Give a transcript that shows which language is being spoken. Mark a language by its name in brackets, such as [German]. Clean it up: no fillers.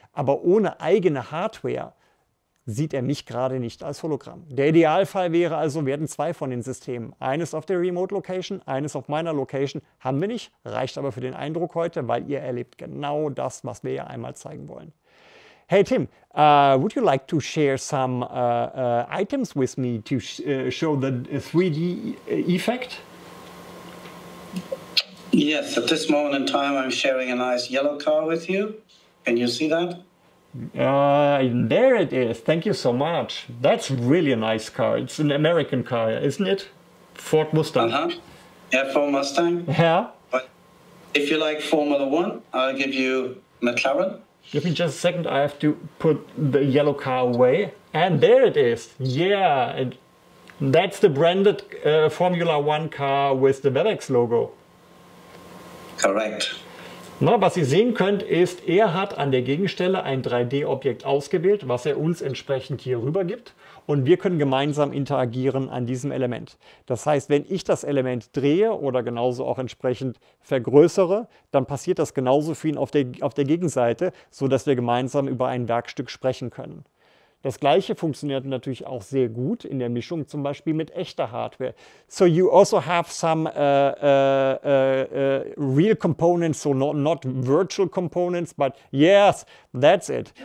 [German] Aber ohne eigene Hardware sieht er mich gerade nicht als Hologramm. Der Idealfall wäre also, werden 2 von den Systemen, eines auf der Remote Location, eines auf meiner Location, haben wir nicht, reicht aber für den Eindruck heute, weil ihr erlebt genau das, was wir ja einmal zeigen wollen. [English] Hey Tim, would you like to share some items with me to show the 3D-Effekt? Yes, at this moment in time I'm sharing a nice yellow car with you. Can you see that? There it is. Thank you so much. That's really a nice car. It's an American car, isn't it? Ford Mustang. Yeah, Ford Mustang. Yeah. If you like Formula One, I'll give you McLaren. Give me just a second. I have to put the yellow car away. And there it is. Yeah, and that's the branded Formula One car with the Webex logo. Correct. [German] Na, was Sie sehen könnt, ist, er hat an der Gegenstelle ein 3D-Objekt ausgewählt, was er uns entsprechend hier rübergibt. Und wir können gemeinsam interagieren an diesem Element. Das heißt, wenn ich das Element drehe oder genauso auch entsprechend vergrößere, dann passiert das genauso für ihn auf der Gegenseite, sodass wir gemeinsam über ein Werkstück sprechen können. Das Gleiche funktioniert natürlich auch sehr gut in der Mischung, zum Beispiel mit echter Hardware. [English] So you also have some real components, so not virtual components, but yes, that's it.